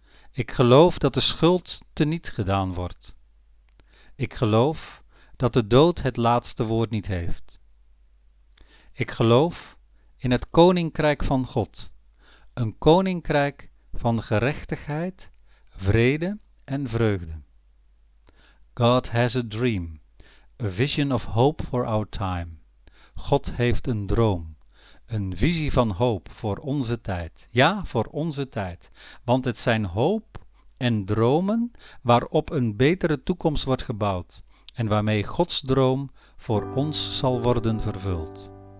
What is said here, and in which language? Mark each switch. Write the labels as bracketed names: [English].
[Dutch] Ik geloof dat de schuld teniet gedaan wordt. Ik geloof dat de dood het laatste woord niet heeft. Ik geloof in het koninkrijk van God, een koninkrijk van gerechtigheid, vrede en vreugde. [English] God has a dream, a vision of hope for our time. [Dutch] God heeft een droom, een visie van hoop voor onze tijd. Ja, voor onze tijd, want het zijn hoop en dromen waarop een betere toekomst wordt gebouwd en waarmee Gods droom voor ons zal worden vervuld.